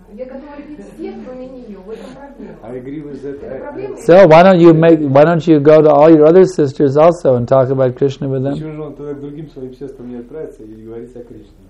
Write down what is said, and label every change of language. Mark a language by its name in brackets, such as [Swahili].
[Russian] Я готова любить всех, кроме нее. В этом проблема. [English] I agree with that. So why don't you go to all your other sisters also and talk about Krishna with them? [Russian] Почему же он тогда к другим своим сестрам не отправится и говорить о Кришне?